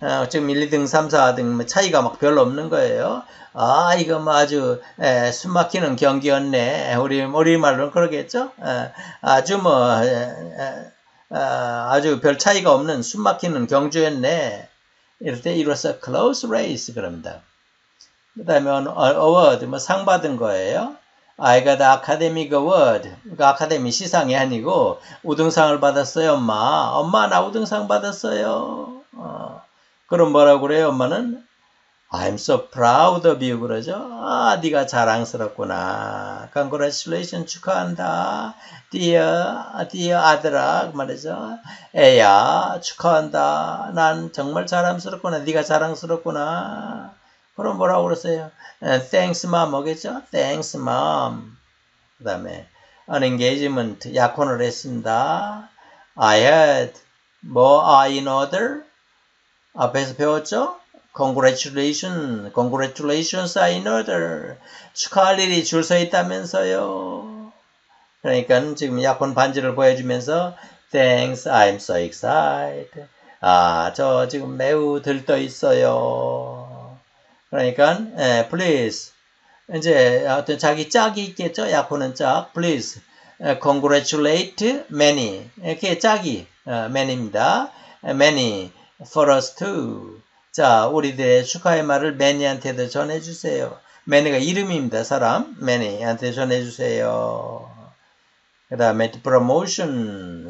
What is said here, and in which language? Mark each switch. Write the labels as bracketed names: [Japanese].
[Korean] 지금 1, 2등, 3, 4등 차이가 막 별로 없는 거예요. 아, 이거 뭐 아주 숨 막히는 경기였네. 우리 말로는 그러겠죠? 아주 뭐 아주 별 차이가 없는 숨 막히는 경주였네. 이럴 때 [English] It was a close race. [Korean] 그럽니다. 그 다음에 award. 뭐상 받은 거예요. [English] I got the Academy Award. [Korean] 그러니까 아카데미 시상이 아니고 우등상을 받았어요, 엄마. 엄마, 나 우등상 받았어요. 그럼 뭐라고 그래요, 엄마는? [English] I'm so proud of you. [Korean] 그러죠? 아, 네가 자랑스럽구나. [English] Congratulations. [Korean] 축하한다. Dear 아들아. 그 말이죠. 애야, 축하한다. 난 정말 자랑스럽구나. 네가 자랑스럽구나. 그럼 뭐라고 그러세요? [English] Thanks, mom. [Korean] 뭐겠죠? [English] Thanks, mom. [Korean] 그 다음에, an engagement. 약혼을 했습니다. [English] I had, 뭐, I in order? [Korean] 앞에서 배웠죠? Congratulations. [English] Congratulations, I in order. [Korean] 축하할 일이 줄서 있다면서요. 그러니까 지금 약혼 반지를 보여주면서, [English] Thanks, I'm so excited. [Korean] 아, 저 지금 매우 들떠 있어요. 그러니까, please. 이제, 어떤 자기 짝이 있겠죠? 약혼은 짝. [English] Please, congratulate many. [Korean] 이렇게 짝이, many입니다. [English] Many for us too. [Korean] 자, 우리들의 축하의 말을 many한테도 전해주세요. many가 이름입니다, 사람. many한테 전해주세요. 그 다음에, promotion.